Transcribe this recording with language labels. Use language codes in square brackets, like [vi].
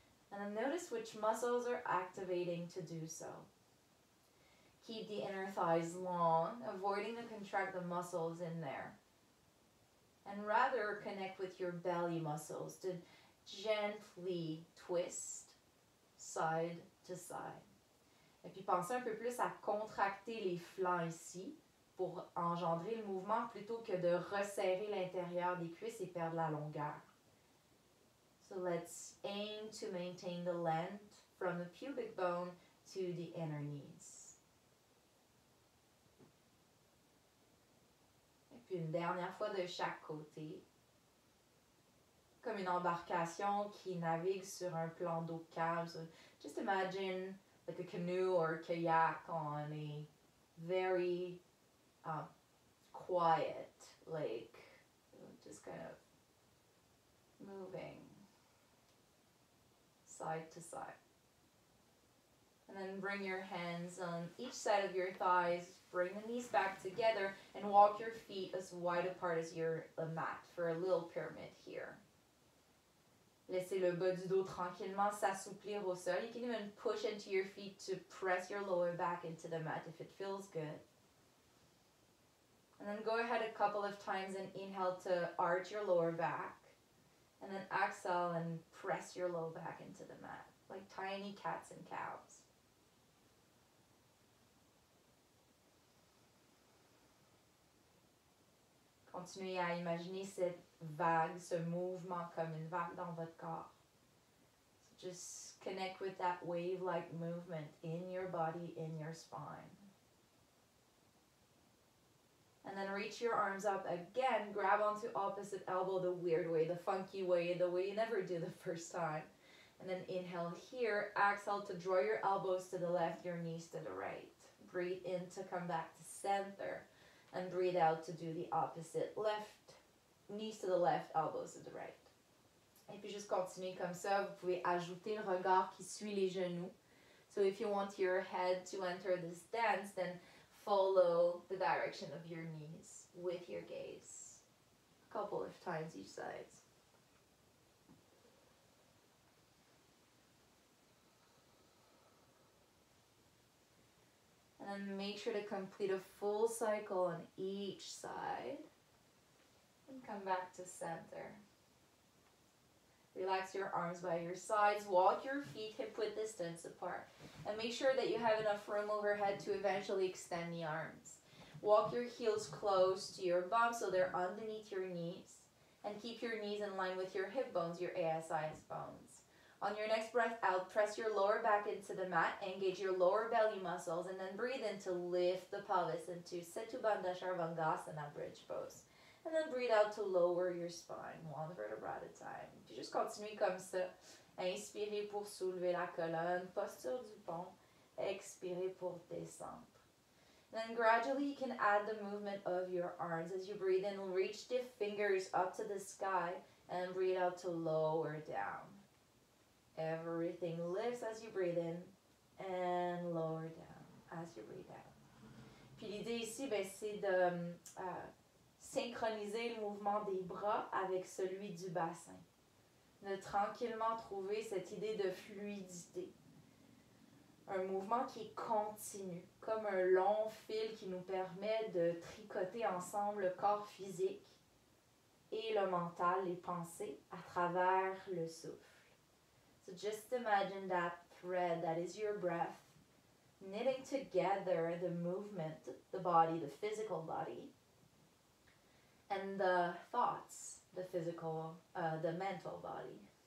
[en] and then notice which muscles are activating to do so. Keep the inner thighs long, avoiding to contract the muscles in there. And rather connect with your belly muscles to gently twist side to side. [fr] Et puis pensez un peu plus à contracter les flancs ici pour engendrer le mouvement plutôt que de resserrer l'intérieur des cuisses et perdre la longueur. [en] So let's aim to maintain the length from the pubic bone to the inner knees. [fr] Et puis une dernière fois de chaque côté. Comme une embarcation qui navigue sur un plan d'eau calme. [en] So just imagine like a canoe or a kayak on a very quiet lake, just kind of moving side to side. And then bring your hands on each side of your thighs, bring the knees back together, and walk your feet as wide apart as your mat for a little pyramid here. [fr] Laissez le bas du dos tranquillement s'assouplir au sol. [en] You can even push into your feet to press your lower back into the mat if it feels good. And then go ahead a couple of times and inhale to arch your lower back. And then exhale and press your low back into the mat, like tiny cats and cows. [fr] Continuez à imaginer cette vague, ce mouvement comme une vague dans votre corps. [en] So just connect with that wave-like movement in your body, in your spine. And then reach your arms up again, grab onto opposite elbow the weird way, the funky way, the way you never do the first time. And then inhale here, exhale to draw your elbows to the left, your knees to the right. Breathe in to come back to center. And breathe out to do the opposite, left, knees to the left, elbows to the right. Et puis juste continuer comme ça, vous pouvez ajouter le regard qui suit les genoux. So if you want your head to enter this dance, then follow the direction of your knees with your gaze. A couple of times each side. And make sure to complete a full cycle on each side and come back to center. Relax your arms by your sides, walk your feet hip-width distance apart, and make sure that you have enough room overhead to eventually extend the arms. Walk your heels close to your bum so they're underneath your knees, and keep your knees in line with your hip bones, your ASIS bones. On your next breath out, press your lower back into the mat, engage your lower belly muscles, and then breathe in to lift the pelvis into Setubandha Sarvangasana bridge pose. And then breathe out to lower your spine, one vertebra at a time. [fr] Puis juste continuez comme ça. Inspirez pour soulever la colonne, posture du pont. Expirez pour descendre. [en] And then gradually you can add the movement of your arms as you breathe in. Reach the fingers up to the sky and breathe out to lower down. Everything lifts as you breathe in and lower down as you breathe out. [fr] Puis l'idée ici, ben, c'est de synchroniser le mouvement des bras avec celui du bassin. De tranquillement trouver cette idée de fluidité. Un mouvement qui est continu, comme un long fil qui nous permet de tricoter ensemble le corps physique et le mental, les pensées, à travers le souffle. [en] So just imagine that thread that is your breath, knitting together the movement, the body, the physical body, and the thoughts, the physical, the mental body.